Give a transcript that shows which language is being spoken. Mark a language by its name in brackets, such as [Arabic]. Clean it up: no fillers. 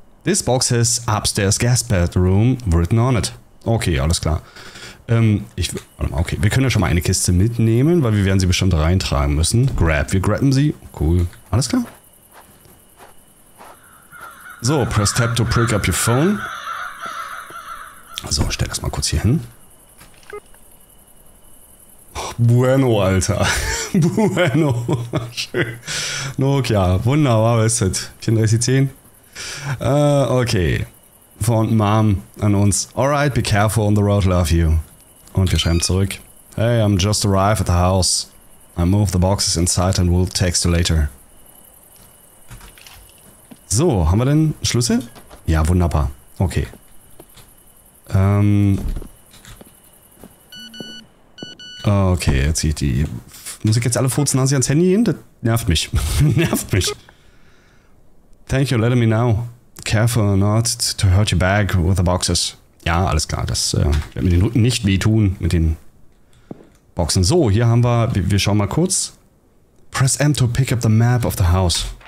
[English] This box has upstairs guest bedroom written on it. [German] Okay, alles klar. Warte mal, okay, wir können ja schon mal eine Kiste mitnehmen, weil wir werden sie bestimmt reintragen müssen. Grab, wir grabben sie. Cool, alles klar. [English] So, press tab to pick up your phone. [German] So, stell das mal kurz hier hin. Bueno, Alter. Bueno, schön. Nokia, wunderbar, was ist das? 3410? Okay. Von Mom an uns. [English] Alright, be careful on the road, love you. [German] Und wir schreiben zurück. [English] Hey, I'm just arrived at the house. I move the boxes inside and we'll text you later. [German] So, haben wir denn Schlüssel? Ja, wunderbar. Okay. Okay, jetzt sieht die... Muss ich jetzt alle Furznasi ans Handy gehen? Das nervt mich. Nervt mich. [English] Thank you, letting me know. Careful not to hurt your back with the boxes. [German] Ja, alles klar, das wird mir den Rücken nicht wehtun mit den Boxen. So, hier haben wir, wir schauen mal kurz. [English] Press M to pick up the map of the house.